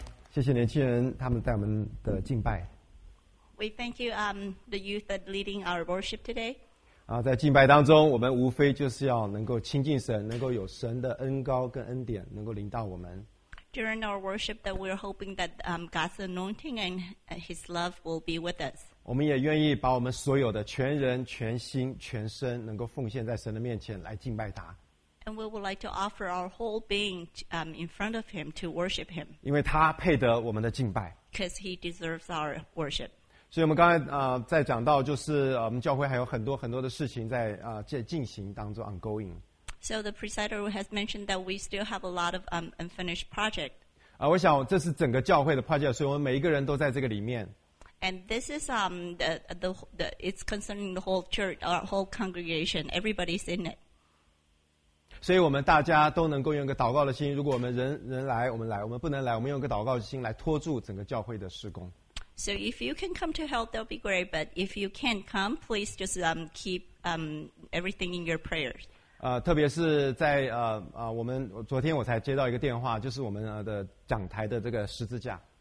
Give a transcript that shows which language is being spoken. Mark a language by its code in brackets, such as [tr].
[zh] 谢谢年轻人他们带我们的敬拜。 [en] We thank you, the youth that leading our worship today. [zh] 啊，在敬拜当中，我们无非就是要能够亲近神，能够有神的恩膏跟恩典能够临到我们。 [en] During our worship, that we're hoping that God's anointing and His love will be with us. [zh] 我们也愿意把我们所有的全人、全心、全身能够奉献在神的面前来敬拜他。 [en] And we would like to offer our whole being in front of Him to worship Him. [zh] 因为他配得我们的敬拜。 [en] Because He deserves our worship. [zh] 所以我们刚才在讲到，就是我们教会还有很多很多的事情在进行当中 ongoing。 [en] So the presider has mentioned that we still have a lot of unfinished project. [zh] 我想这是整个教会的 project， 所以我们每一个人都在这个里面。 [en] And this is the it's concerning the whole church, our whole congregation. Everybody's in it. [zh] 所以我们大家都能够用一个祷告的心，如果我们人来，我们来，我们不能来，我们用一个祷告的心来托住整个教会的事工。 [en] So if you can come to help, that'll be great. But if you can't come, please just keep everything in your prayers. [zh] 特别是在我们昨天我才接到一个电话，就是我们的讲台的这个十字架。